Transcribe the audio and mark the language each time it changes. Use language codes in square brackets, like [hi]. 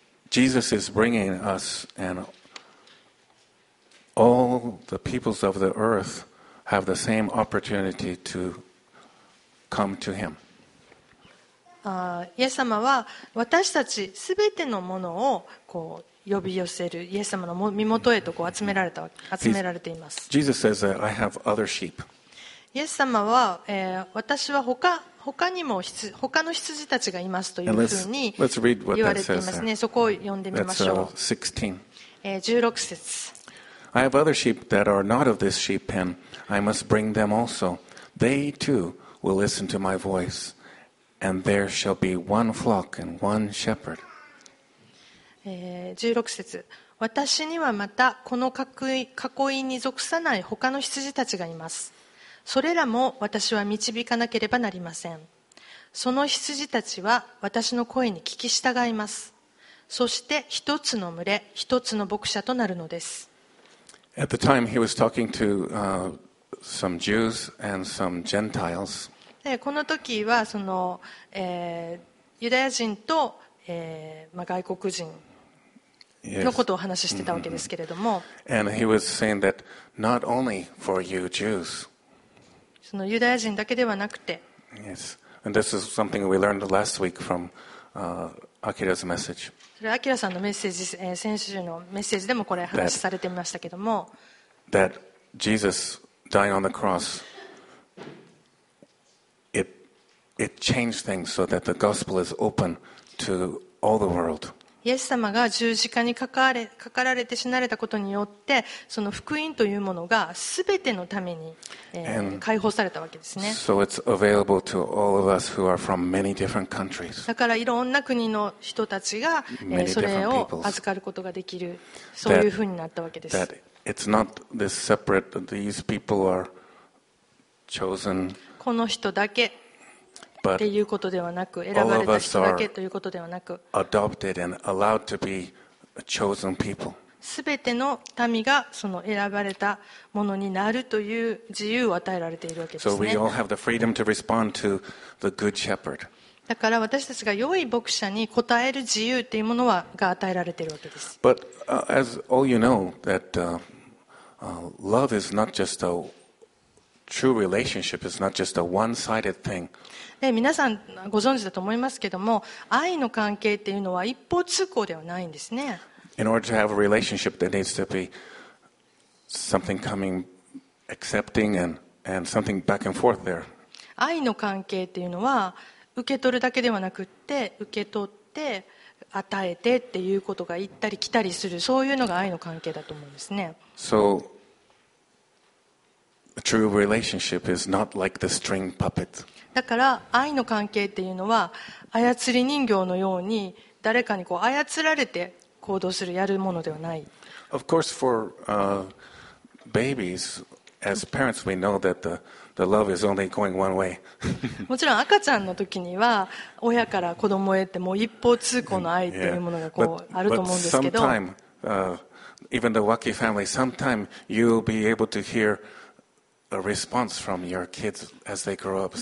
[en] Jesus is bringing us and all the peoples of the earth have the same opportunity to come to him. [ja] イエス様は私たちすべてのものをこう呼び寄せるイエス様の身元へとこう集められています。 [en] Jesus says that I have other sheep. [ja] イエス様は、私は他にも他の羊たちがいますというふうに言われていますね。そこを読んでみましょう。 16節。 [en] I have other sheep that are not of this sheep pen. I must bring them also. They too will listen to my voice. And there shall be one flock and one shepherd. [ja] 16節。私にはまたこの囲いに属さない他の羊たちがいます。それらも私は導かなければなりません。その羊たちは私の声に聞き従います。そして一つの群れ、一つの牧者となるのです。 [en] At the time he was talking to, some Jews and some Gentiles. [ja] でこの時はその、ユダヤ人と、まあ、外国人のことをお話ししてたわけですけれども、 [en] And he was saying that not only for you Jews. [ja] そのユダヤ人だけではなくて、 [en] Yes. And this is something we learned last week from, Akira's message. [ja] それはアキラさんのメッセージ、先週のメッセージでもこれ話しされてましたけども、 [en] That Jesus dying on the cross, it changed things so that the gospel is open to all the world. [ja] イエス様が十字架にかかられて死なれたことによって、その福音というものがすべてのために、解放されたわけですね。 [en] So it's available to all of us who are from many different countries. [ja] だからいろんな国の人たちが、それを預かることができる、そういうふうになったわけです。 [en] That it's not this separate. These people are chosen. [ja] この人だけ。ということではなく、選ばれた人だけということではなく、 [en] adopted and allowed to be chosen people. [ja] すべての民がその選ばれたものになるという自由を与えられているわけですね。 [en] So we all have the freedom to respond to the good shepherd. [ja] だから私たちが良い牧者に応える自由というものはが与えられているわけです。 [en] But as all you know that love is not just a true relationship is not just a one-sided thing. [ja] で皆さんご存知だと思いますけども、愛の関係っていうのは一方通行ではないんですね。 [en] In order to have a relationship, there needs to be something coming, accepting, and something back and forth there. [ja] 愛の関係っていうのは受け取るだけではなくって、受け取って与えてっていうことが行ったり来たりする、そういうのが愛の関係だと思うんですね。 [en] So, a true relationship is not like the string puppet. [ja] だから愛の関係っていうのは操り人形のように誰かにこう操られて行動するやるものではない。 [en] Of course, for babies, as parents, we know that the love is only going one way. [ja] もちろん赤ちゃんの時には親から子供へってもう一方通行の愛っていうものがこうあると思うんですけど。 [en] But sometime, even the Wacky family, sometime you'll be able to hear. A response from your kids as they grow up.